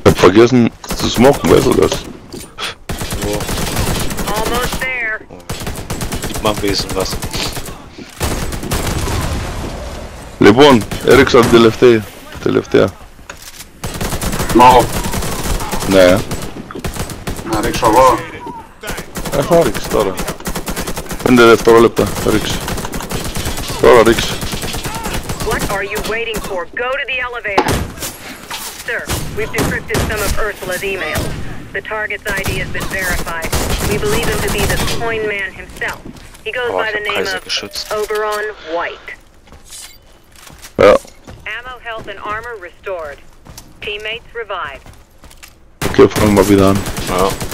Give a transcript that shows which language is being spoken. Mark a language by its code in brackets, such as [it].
[de] Vergessen zu smoken, weißt du das? [en] Almost there. [de] Gib mal ein bisschen was. [el] Λοιπόν, έριξα την τελευταία. Τελευταία. Λόγω. Ναι. Να ρίξω εγώ. Έχω ρίξει τώρα. 5 δευτερόλεπτα, θα ρίξω. Τώρα ρίξω. [en] What are you waiting for? Go to the elevator. Sir, we've decrypted some of Ursula's emails. The target's ID has been verified. We believe him to be the coin man himself. He goes by the name of Oberon White. Well. Ammo, health, and armor restored. Teammates revived. [de] Okay, fangen wir wieder an. [en] Well.